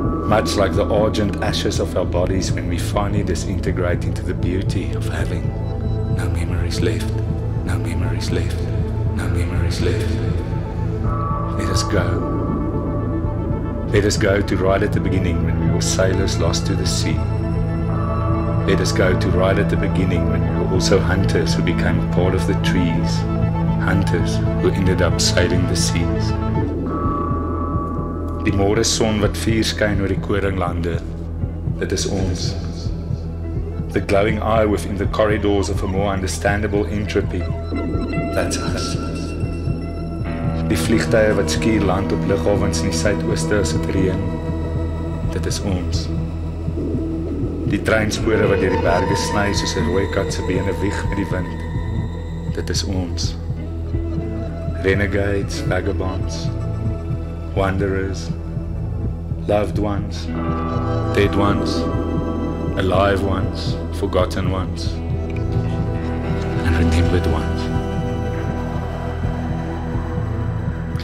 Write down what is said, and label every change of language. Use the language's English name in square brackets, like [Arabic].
[English] Much like the argent ashes of our bodies when we finally disintegrate into the beauty of having no memories left. No memories left. No memories left. Let us go. Let us go to right at the beginning when we were sailors lost to the sea. Let us go to right at the beginning when we were also hunters who became a part of the trees. Hunters who ended up sailing the seas. [Afrikaans] Die môre son wat vuur skyn oor die koringlande, dit is ons. [English] The glowing eye within the corridors of a more understandable entropy, that's us. [Afrikaans] Die vliegtuie wat skuur land op lughawens in die suidooste as dit reën, dit is ons. Die treinspore wat deur die berge sny soos 'n rooi kat se bene wieg met die wind, dit is ons. [English] Renegades, vagabonds, wanderers, loved ones, dead ones, alive ones, forgotten ones, and remembered ones.